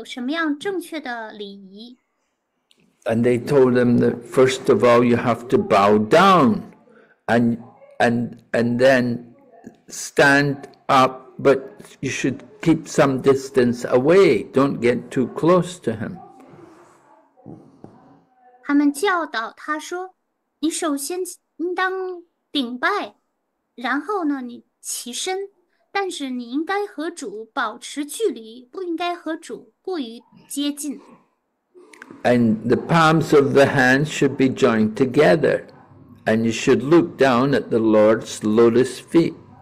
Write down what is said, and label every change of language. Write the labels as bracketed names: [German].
[Chinese] 为他感到难过，因为他不知道主拥有这样的特征，而且他们也教导他应当拥有什么样正确的礼仪。 [English] And they told him that first of all you have to bow down, and then stand up, but you should keep some distance away, don't get too close to him. [Chinese] 他们教导他说， 你首先应当顶拜，然后呢，你起身，但是你应该和主保持距离，不应该和主过于接近。 [English] And the palms of the hands should be joined together, and you should look down at the Lord's lotus feet.